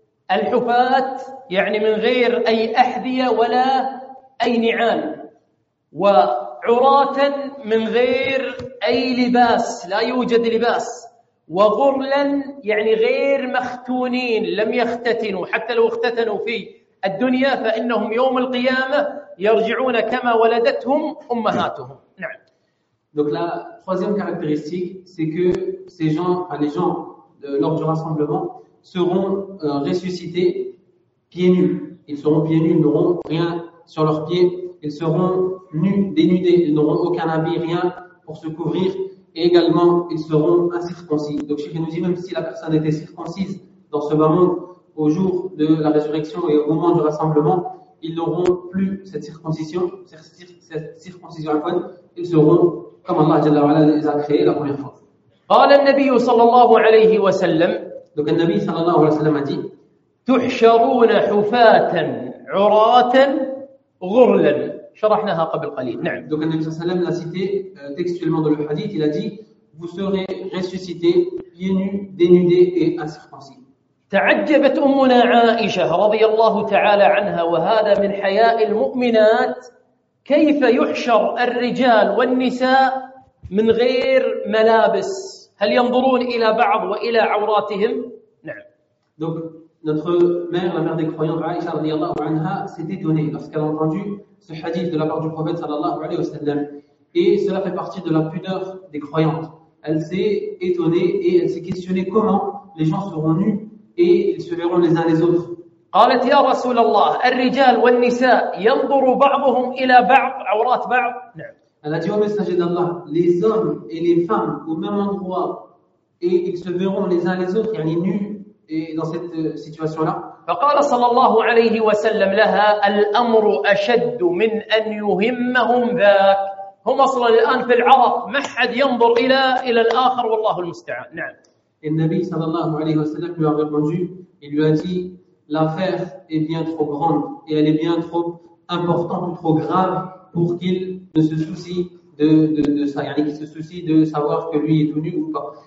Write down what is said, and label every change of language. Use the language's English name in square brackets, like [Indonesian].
[Arabic] الحفاة يعني من غير أي أحذية ولا أي نعال وعراة من غير أي لباس لا يوجد لباس وغرلاً يعني غير مختونين لم يختتنوا حتى لو اختتنوا في الدنيا فإنهم يوم القيامة يرجعون كما ولدتهم أمهاتهم. نعم. [French] Donc la troisième caractéristique c'est que ces gens enfin les gens lors du rassemblement seront ressuscités pieds nus. Ils seront pieds nus, ils n'auront rien sur leurs pieds. Ils seront nus, dénudés, ils n'auront aucun habit, rien pour se couvrir. Et également, ils seront incirconcis. Donc, Chéri nous dit, même si la personne était circoncise dans ce moment, au jour de la résurrection et au moment du rassemblement, ils n'auront plus cette circoncision, cette circoncision à la fois, ils seront comme [Arabic] Allah Jalla wa Ala [French] les a créés la première fois. [Arabic] قال النبي صلى الله عليه وسلم. [French] Donc, le Nabi [Arabic] صلى الله عليه وسلم [French] a dit, [Arabic] تحشرون حفاة عراة غرلا. شرحناها قبل قليل. نعم. [French] Donc le Prophète [Arabic] صلى الله عليه وسلم [French] l'a cité textuellement dans le hadith. Il a dit vous serez ressuscités pieds nus, dénudés et incirconcis. [Arabic] تعجبت أمنا عائشة رضي الله تعالى عنها وهذا من حياء المؤمنات كيف يحشر الرجال والنساء من غير ملابس هل ينظرون إلى بعض وإلى عوراتهم؟ نعم. [French] Donc notre mère, la mère des croyants, Aïcha [Arabic] رضي الله عنها, [French] s'est étonnée lorsqu'elle a entendu ce hadith de la part du prophète [Arabic] sallallahu alayhi wa sallam. [French] Et cela fait partie de la pudeur des croyantes. Elle s'est étonnée et elle s'est questionnée comment les gens seront nus et ils se verront les uns les autres. [Arabic] قالت يا رسول الله الرجال والنساء ينظر بعضهم إلى بعض عورات بعض. [French] Elle a dit au messager d'Allah, les hommes et les femmes au même endroit et ils se verront les uns les autres, yani nus et dans cette situation-là. [Arabic] فقال صلى الله عليه وسلم لها الأمر أشد من أن يهمهم ذاك هم اصلا الان في العرق ما حد ينظر الى الاخر والله المستعان. نعم. النبي صلى الله عليه وسلم [French] lui a répondu, il lui a dit, l'affaire est bien trop grande et elle est bien trop importante ou trop grave pour qu'il ne se soucie de ça, yani qu'il se soucie de savoir que lui est tout nu ou pas.